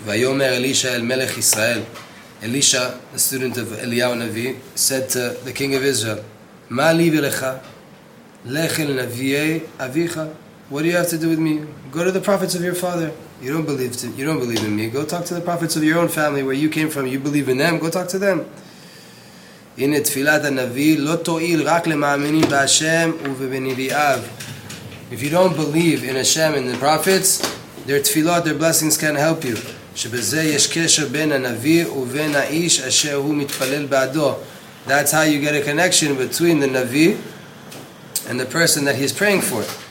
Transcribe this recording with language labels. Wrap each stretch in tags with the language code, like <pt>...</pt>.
<he>Vayomer Elisha el melech Yisrael.</he> <en>Elisha, a student of Eliyahu Navi, said to the king of Israel,</en> <he>Ma li v'lecha? Lech el navi'ei avicha?</he> <en>What do you have to do with me? Go to the prophets of your father. You don't believe in me. Go talk to the prophets of your own family, where you came from. You believe in them. Go talk to them.</en> <he>הנה תפילת הנביא לא תועיל רק למאמינים בהשם ובנביאיו</he> <en>If you don't believe in Hashem and the prophets, their tefillah, their blessings can't help you. That's how you get a connection between the Navi and the person that he's praying for.</en>